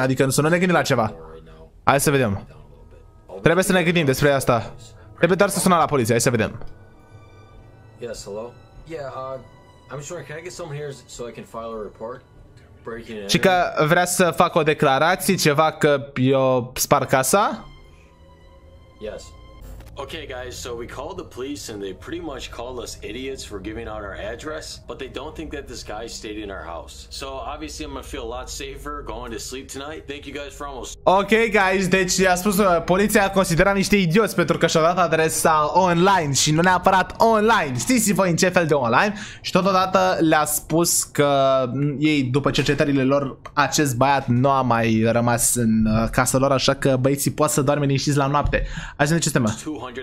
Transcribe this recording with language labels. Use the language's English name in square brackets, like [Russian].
[Romanian] Adică să nu ne gândim la ceva. Hai să vedem. Trebuie să ne gândim despre asta. Trebuie doar să sunăm la poliție, hai să vedem. [English] Yes, hello. Yeah, I'm sure, can I get someone here so I can file a report? [Romanian] Și că vrea să fac o declarație, ceva că eu spar casa? [English] Yes. Okay, guys, so we called the police and they pretty much called us idiots for giving out our address, but they don't think that this guy stayed in our house. So obviously I'm gonna feel a lot safer going to sleep tonight. Thank you guys for almost... [Romanian] Ok, guys, deci a spus poliția considera niște idioți pentru că și-a dat adresa online și nu neapărat online. Știți voi în ce fel de online? Și totodată le-a spus că ei, după cercetările lor, acest băiat nu a mai rămas în casa lor, așa că băieții poate să doarme liniștiți la noapte. Hai să vedem ce se întâmplă.